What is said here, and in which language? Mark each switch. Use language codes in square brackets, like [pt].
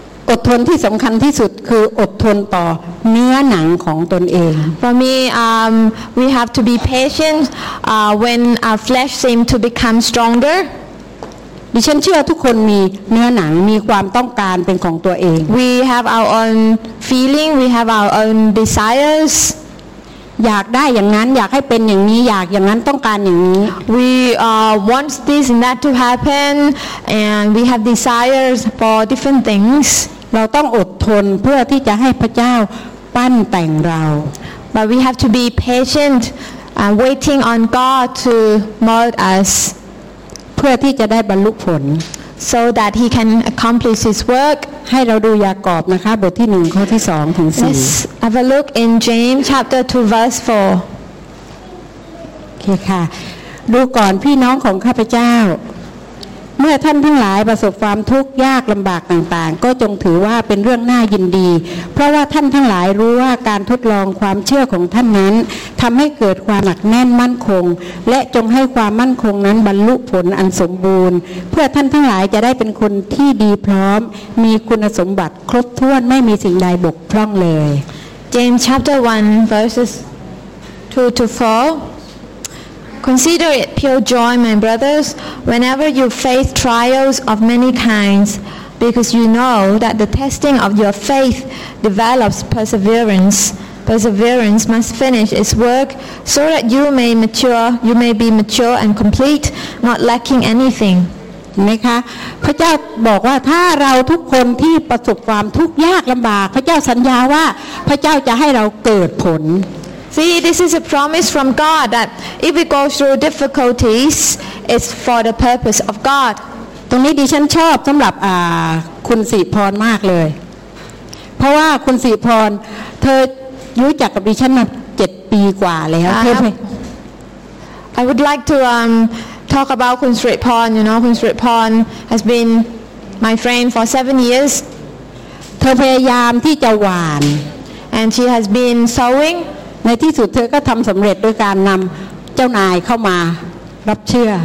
[th] อดทนที่สำคัญที่สุดคืออดทนต่อเนื้อหนังของตนเอง [en] For me we have to be patient when our flesh seem to become stronger [th] ดิฉันเชื่อทุกคนมีเนื้อหนังมีความต้องการเป็นของตัวเอง [en] We have our own feeling we have our own desires [th] อยากได้อย่างนั้นอยากให้เป็นอย่างนี้อยากอย่างนั้นต้องการอย่างนี้ [en] We want this and that to happen and we have desires for different things [th] เราต้องอดทนเพื่อที่จะให้พระเจ้าปั้นแต่งเรา [en] But we have to be patient waiting on God to mold us [th] เพื่อที่จะได้บรรลุผล [en] so that he can accomplish his work [th] ให้เราดูยากอบนะคะบทที่1ข้อที่2ถึง4 [en] Let's have a look in James chapter 2 verse 4 [th] okay, ค่ะดูก่อนพี่น้องของข้าพเจ้าเมื่อท่านทั้งหลายประสบความทุกข์ยากลำบากต่างๆก็จงถือว่าเป็นเรื่องน่ายินดีเพราะว่าท่านทั้งหลายรู้ว่าการทดลองความเชื่อของท่านนั้นทำให้เกิดความหนักแน่นมั่นคงและจงให้ความมั่นคงนั้นบรรลุผลอันสมบูรณ์เพื่อท่านทั้งหลายจะได้เป็นคนที่ดีพร้อมมีคุณสมบัติครบถ้วนไม่มีสิ่งใดบกพร่องเลย [en] James chapter 1 verses 2 to 4Consider it pure joy, my brothers, whenever you face trials of many kinds, because you know that the testing of your faith develops perseverance. Perseverance must finish its work so that you may mature, you may be mature and complete, not lacking anything. [th] นะคะพระเจ้าบอกว่าถ้าเราทุกคนที่ประสบความทุกข์ยากลำบากพระเจ้าสัญญาว่าพระเจ้าจะให้เราเกิดผล [en] See, this is a promise from God that if we go through difficulties, it's for the purpose of God. [th] ตรงนี้ดิฉันชอบสำหรับคุณสิพรมากเลยเพราะว่าคุณสิพรเธอรู้จักกับดิฉันมา7ปีกว่าแล้วใช่ไหม [en] I would like to talk about คุณสิพร you know คุณสิพร has been my friend for 7 years [th] เธอพยายามที่จะหวาน [en] and she has been sowing [th] ในที่สุดเธอก็ทำสำเร็จด้วยการนำเจ้านายเข้ามารับเชื่อ